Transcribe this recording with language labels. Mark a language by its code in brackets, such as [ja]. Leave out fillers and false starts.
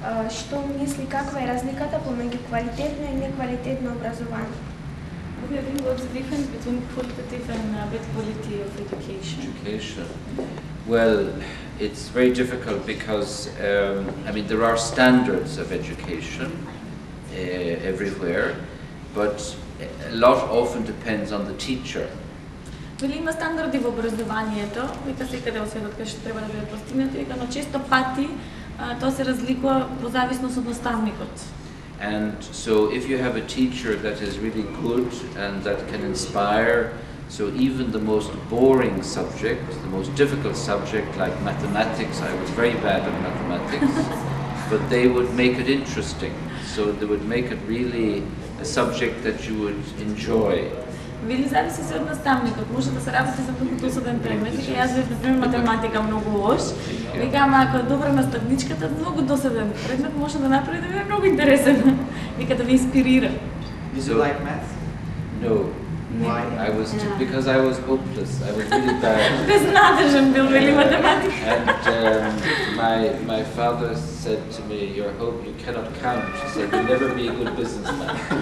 [mk] Што мисли, каква е разликата помеѓу квалитетно и неквалитетно образование? [en] We have a lot of difference between qualitative and bad quality of education. Well, it's very difficult because, I mean, there are standards of education everywhere, but a lot often depends on the teacher. [mk] Вели има стандарди во образованието, вика секаде осведот кај што треба да биде постигнато, вика, но често пати тоа се разликува во зависност од наставникот. [en] And so if you have a teacher that is really good and that can inspire, so even the most boring subject, the most difficult subject like mathematics, I was very bad at mathematics, but they would make it interesting. So they would make it really a subject that you would enjoy. [mk] Вели зависи се од наставникот, може да се работи за многу досаден предмет, вика јас бев, например, математика многу лош, вика, ама ако е добра наставничката, многу досаден предмет може да направи да биде многу интересен, вика да ви инспирира. [en] Do you like math? No. Why? I was too, because I was hopeless. I was really bad. [mk] Без надежен бил вели математик. [en] And my father said to me, "Your hope, you cannot count." She said, "You'll never be a good businessman."